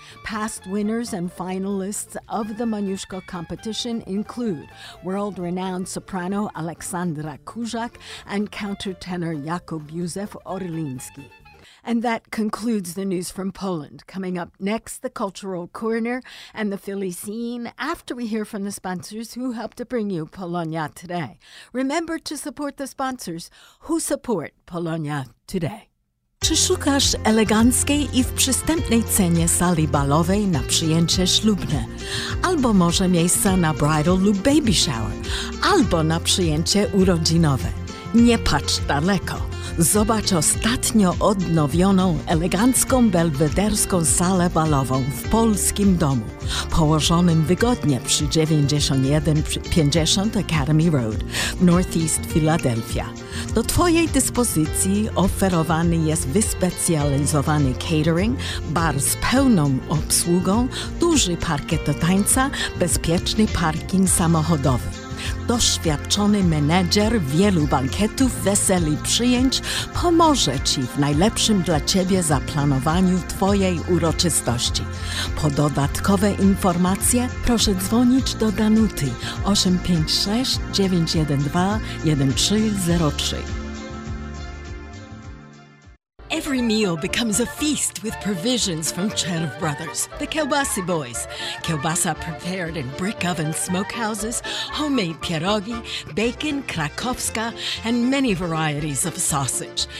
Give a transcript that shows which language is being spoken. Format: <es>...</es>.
<en>Past winners and finalists of the Moniuszko competition include world-renowned soprano Aleksandra Kuzak and countertenor Jakub Józef Orliński. And that concludes the news from Poland. Coming up next, the Cultural Corner and the Philly Scene, after we hear from the sponsors who helped to bring you Polonia Today. Remember to support the sponsors who support Polonia Today.</en> <pl>Czy szukasz eleganckiej i w przystępnej cenie sali balowej na przyjęcie ślubne? Albo może miejsca na bridal lub baby shower? Albo na przyjęcie urodzinowe? Nie patrz daleko! zobacz ostatnio odnowioną, elegancką, belwederską salę balową w polskim domu, położonym wygodnie przy 9150 Academy Road, Northeast Philadelphia. Do Twojej dyspozycji oferowany jest wyspecjalizowany catering, bar z pełną obsługą, duży parkiet do tańca, bezpieczny parking samochodowy. Doświadczony menedżer wielu bankietów, weseli, przyjęć pomoże Ci w najlepszym dla Ciebie zaplanowaniu Twojej uroczystości. Po dodatkowe informacje proszę dzwonić do Danuty 856-912-1303.</pl> <en>Every meal becomes a feast with provisions from Cherv Brothers, the Kielbasy Boys. Kielbasa prepared in brick oven smokehouses, homemade pierogi, bacon, krakowska, and many varieties of sausage.</en>